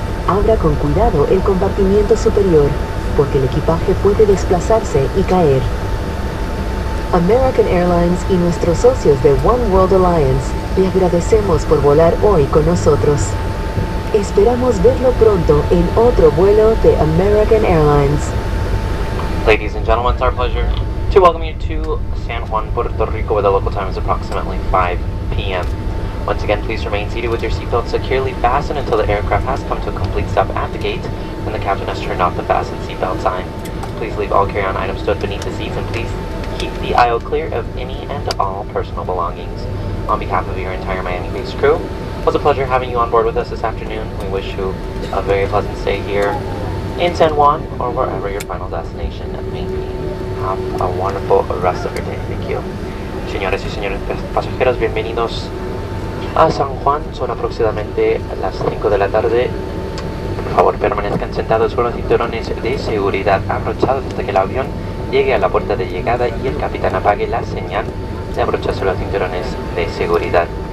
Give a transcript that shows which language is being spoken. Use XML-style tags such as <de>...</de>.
<es>Abra con cuidado el compartimiento superior porque el equipaje puede desplazarse y caer. American Airlines y nuestros socios de One World Alliance le agradecemos por volar hoy con nosotros. Esperamos verlo pronto en otro vuelo de American Airlines.</es> <en>Ladies and gentlemen, it's our pleasure to welcome you to San Juan, Puerto Rico, where the local time is approximately 5 p.m. Once again, please remain seated with your seatbelt securely fastened until the aircraft has come to a complete stop at the gate and the captain has turned off the fastened seatbelt sign. Please leave all carry-on items stowed beneath the seats and please keep the aisle clear of any and all personal belongings. On behalf of your entire Miami-based crew, it was a pleasure having you on board with us this afternoon. We wish you a very pleasant stay here in San Juan or wherever your final destination may be. Have a wonderful rest of your day. Thank you.</en> <es>Señores y señores pasajeros, bienvenidos a San Juan. Son aproximadamente las 5 de la tarde. Por favor, permanezcan sentados con los cinturones de seguridad abrochados hasta que el avión llegue a la puerta de llegada y el capitán apague la señal de abrocharse los cinturones de seguridad.</es>